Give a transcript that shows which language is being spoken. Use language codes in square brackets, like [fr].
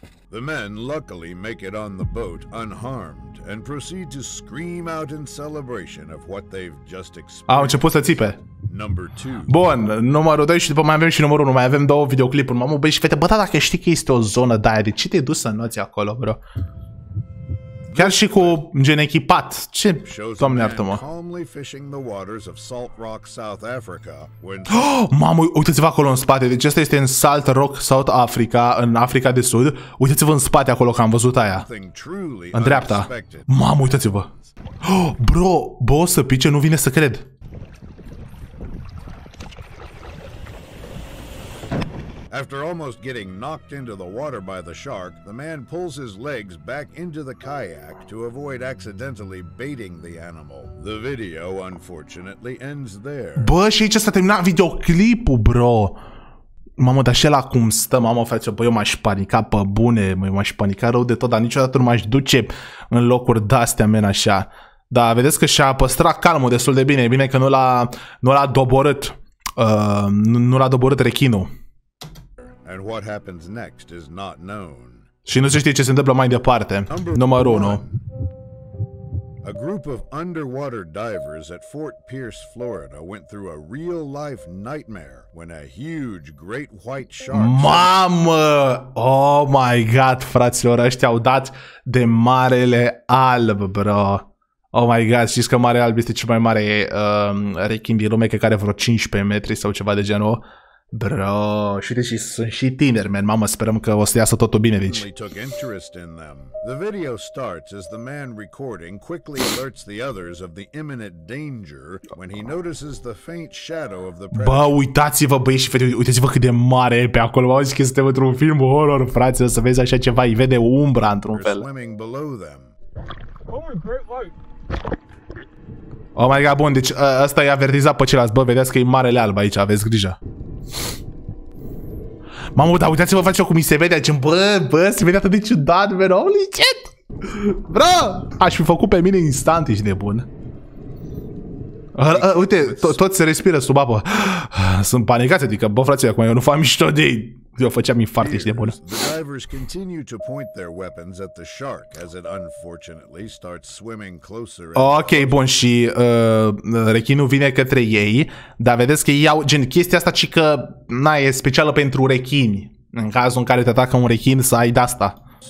[en] The men luckily make it on the boat unharmed and proceed to scream out in celebration of what they've just experienced. [ro] Au început să țipe. Bun, numărul 2 și după mai avem și numărul 1, mai avem două videoclipuri. Mamă, băi și fete, bă, da, dacă știi că este o zonă de aia, de ce te-ai dus să noți acolo, bro? Chiar și cu gen echipat. Ce? Doamne iartă-mă. [en] Calmly fishing the waters of Salt Rock, South Africa. [ro] Mamă, uitați-vă acolo în spate. Deci asta este în Salt Rock, South Africa, în Africa de Sud. Uitați-vă în spate acolo că am văzut aia. În dreapta. Mamă, uitați-vă. Bro, bă, o să pice, nu vine să cred. [en] After almost getting knocked into the water by the shark, the man pulls his legs back into the kayak to avoid accidentally baiting the animal. The video unfortunately ends there. [ro] Bă, și aici s-a terminat videoclipul, bro. Mamă, dar și ăla cum stă, mamă, frate, bă, eu m-aș panica pe bune, m-aș panica rău de tot, dar niciodată nu m-aș duce în locuri d-astea, men, așa. Dar vedeți că și-a păstrat calmul destul de bine, e bine că nu l-a doborât rechinul. [en] And what happens next is not known. [ro] Și nu se știe ce se întâmplă mai departe. Numărul 1. [en] A group of underwater divers at Fort Pierce, Florida went through a real life nightmare when a huge great white shark. [ro] Mamă! [en] Oh my god, [ro] fraților, ăștia au dat de marele alb, bro. [en] Oh my god, [ro] știți că marele alb este cel mai mare rechin din lume, care vreo 15 metri sau ceva de genul. Bro, și deși sunt și tineri, man. Mamă, sperăm că o să iasă totul bine, deci. [en] Took interest in them. The video starts as the man recording quickly alerts the others of the imminent danger when he notices the faint shadow of the predator. [ro] Bă, uitați-vă, băieți și fete, uitați-vă cât de mare e pe acolo. Mă auzi că suntem într-un film horror, frate, să vezi așa ceva, îi vede umbra într-un fel. [en] Swimming below them. Oh Oh my god, [ro] bun, deci ăsta i-a avertizat pe ceilalți. Bă, vedeți că e marele alb aici, aveți grijă. Mamă, dar uitați-vă, face-o cum mi se vede aici. Bă, se vede atât de ciudat, man. [en] Holy shit! [ro] Bro! Aș fi făcut pe mine instant, ești nebun. Uite, toți se respiră sub apă. Sunt panicați, adică, bă, frate, acum eu nu fac mișto de ei. Eu făceam infarct, ești nebun. [en] The divers continue to point their weapons at the shark as it unfortunately starts swimming closer. [ro] Ok, bun, și rechinul vine către ei, dar vedeți că iau gen chestia asta, ci că na, e specială pentru rechini. În cazul în care te atacă un rechin, să ai de asta.